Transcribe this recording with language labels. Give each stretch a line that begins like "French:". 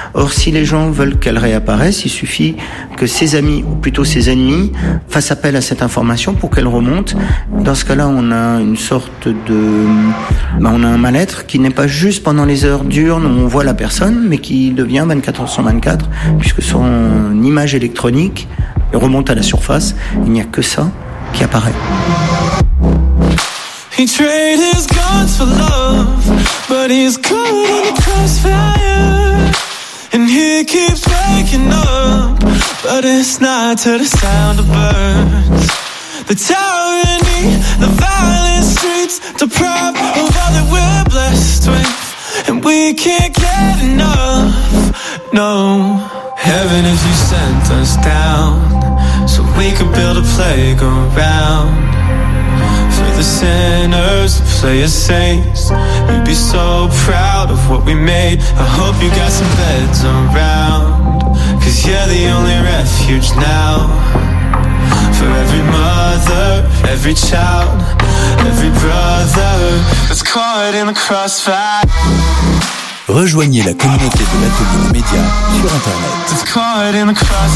French: Or, si les gens veulent qu'elle réapparaisse, il suffit que ses amis, ou plutôt ses ennemis, fassent appel à cette information pour qu'elle remonte. Dans ce cas-là, on a une sorte de... Ben, on a un mal-être qui n'est pas juste pendant les heures dures où on voit la personne, mais qui devient 24 heures sur 24, puisque son image électronique remonte à la surface. Il n'y a que ça qui apparaît.
English: He traded his guns for love, but he's caught in the crossfire. And he keeps waking up, but it's not to the sound of birds. The tyranny, the violent streets, deprived of all that we're blessed with. And we can't get enough, no. Heaven, if you sent us down, so we could build a playground. The sinners, the player saints, you'd be so proud of what we made. I hope you got some beds around, 'cause you're the only refuge now. For every mother, every child, every brother that's caught in the crossfire.
French: Rejoignez la communauté de l'Atelier des Médias sur Internet.